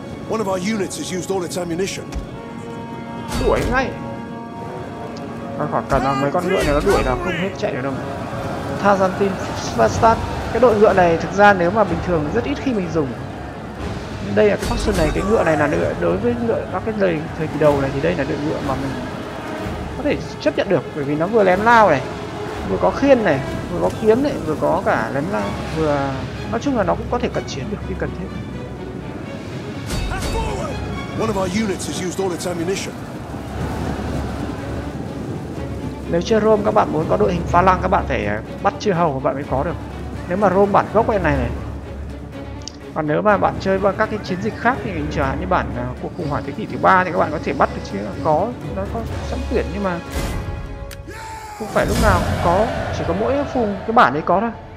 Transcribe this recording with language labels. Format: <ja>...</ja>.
<en>One of our units has used all its ammunition.</en> <vi>Đuổi ngay. Còn khoảng cả mấy con ngựa này nó đuổi là không hết chạy được đâu. Tarantin Faststart. Cái đội ngựa này thực ra nếu mà bình thường rất ít khi mình dùng. Đây là cái faction này, cái ngựa này là ngựa đối với ngựa các cái thời kỳ đầu này thì đây là đội ngựa mà mình có thể chấp nhận được, bởi vì nó vừa lém lao này, vừa có khiên này, vừa có kiếm này, vừa có cả lém lao, vừa nói chung là nó cũng có thể cận chiến được khi cần thiết.</vi> <en>One of our units has used all its ammunition.</en> <vi>Nếu chưa Rome, các bạn muốn có đội hình pha lang, các bạn phải bắt chư hầu các bạn mới có được. Nếu mà Rome bản gốc này. Còn nếu mà bạn chơi vào các cái chiến dịch khác thì chẳng hạn như bản cuộc khủng hoảng thế kỷ thứ 3 thì các bạn có thể bắt được chứ, có, nó có sẵn tuyển, nhưng mà không phải lúc nào cũng có, chỉ có mỗi phùng cái bản đấy có thôi.</vi>